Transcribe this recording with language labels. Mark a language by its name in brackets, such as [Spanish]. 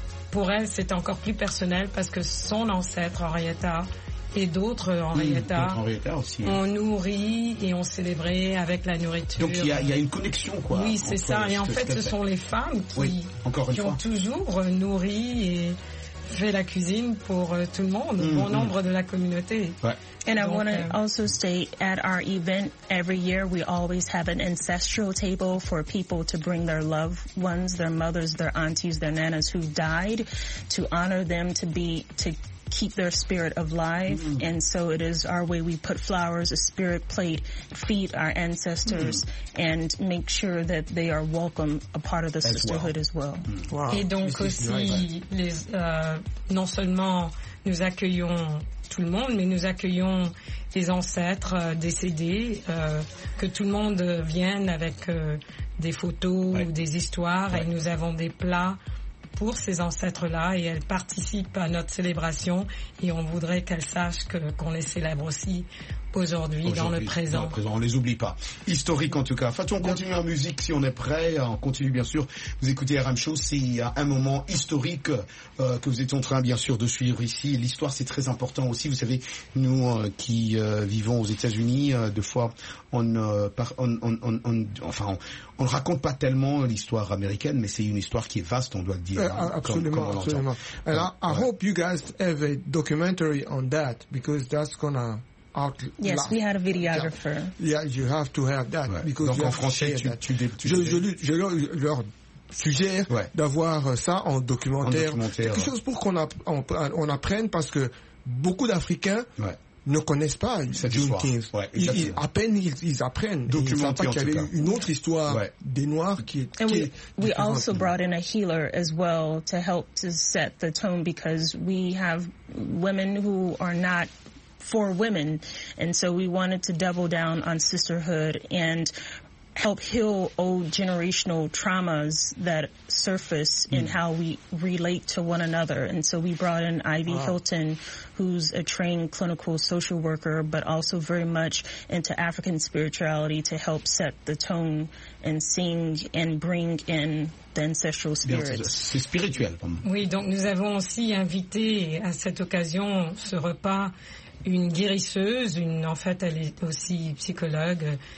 [French] Pour elle, c'est encore plus personnel parce que son ancêtre, Henrietta, et d'autres Henrietta, ont nourri et ont célébré avec la nourriture. Donc il y a une connexion, quoi. Oui, c'est ça. Et en fait, ce sont les femmes qui ont toujours nourri et fait la cuisine pour tout le monde, bon nombre de la communauté. Ouais. [English] And I want to also state, at our event every year, we always have an ancestral table for people to bring their loved ones, their mothers, their aunties, their nanas who died, to honor them, to keep their spirit alive. Mm-hmm. And so it is our way. We put flowers, a spirit plate, feed our ancestors, and make sure that they are welcome, a part of the sisterhood as well. Mm-hmm. [French] Wow. Et donc aussi, non seulement nous accueillons tout le monde, mais nous accueillons les ancêtres décédés, que tout le monde vienne avec des photos ou des histoires, et nous avons des plats pour ces ancêtres-là, et elles participent à notre célébration, et on voudrait qu'elles sachent qu'on les célèbre aussi aujourd'hui, dans le présent. Dans le présent, on les oublie pas. Historique, en tout cas. Fatou, on continue en musique si on est prêt. On continue, bien sûr. Vous écoutez RM Show, c'est un moment historique que vous êtes en train, bien sûr, de suivre ici. L'histoire, c'est très important aussi. Vous savez, nous qui vivons aux États-Unis, des fois, on ne raconte pas tellement l'histoire américaine, mais c'est une histoire qui est vaste, on doit le dire. Absolument. [English] Alors, I hope you guys have a documentary on that, because that's gonna... Yes, we had a videographer. Yeah, you have to have that. Ouais. Because [French] donc en français, tu je leur suggère d'avoir ça en documentaire. Quelque chose pour qu'on apprenne, parce que beaucoup d'Africains ne connaissent pas Juneteenth. À peine ils apprennent. Documenter, ils savent pas qu'il y avait une autre histoire des Noirs qui est... [English] And we also brought in a healer as well to help to set the tone, because we have women who are not... for women, and so we wanted to double down on sisterhood and help heal old generational traumas that surface in how we relate to one another. And so we brought in Ivy Hilton, who's a trained clinical social worker, but also very much into African spirituality, to help set the tone and sing and bring in the ancestral spirits. [French] C'est spirituel. Oui, donc nous avons aussi invité à cette occasion, ce repas, une guérisseuse, elle est aussi psychologue.